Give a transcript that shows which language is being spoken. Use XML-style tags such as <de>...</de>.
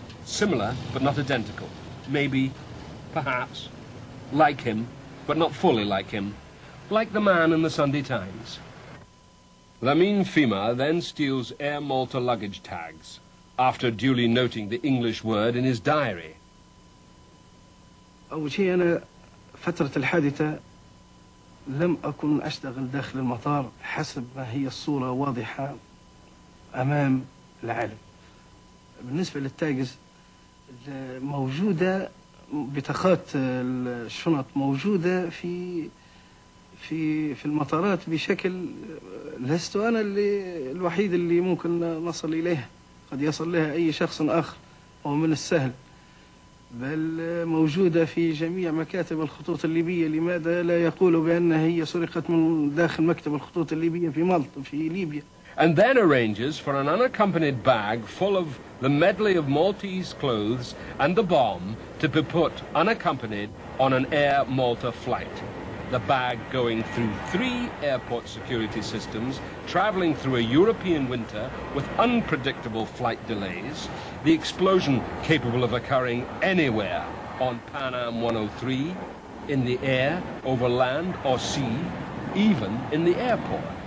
<en>Similar, but not identical. Maybe, perhaps, like him, but not fully like him. Like the man in the Sunday Times. Lamine Fima then steals Air Malta luggage tags, after duly noting the English word in his diary.</en> <ar>أول شيء أنا فترة الحادثة لم أكن أشتغل داخل المطار حسب ما هي الصورة واضحة أمام العالم. بالنسبة للتاجز موجودة بطاقات الشنط موجودة في المطارات بشكل لست أنا اللي الوحيد اللي ممكن نصل إليها قد يصل لها أي شخص آخر ومن السهل بل موجودة في جميع مكاتب الخطوط الليبية لماذا لا يقولوا بأن هي سرقت من داخل مكتب الخطوط الليبية في مالطا في ليبيا</ar> <en>And then arranges for an unaccompanied bag full of the medley of Maltese clothes and the bomb to be put unaccompanied on an Air Malta flight. The bag going through three airport security systems, traveling through a European winter with unpredictable flight delays, the explosion capable of occurring anywhere on Pan Am 103, in the air, over land or sea, even in the airport.</en>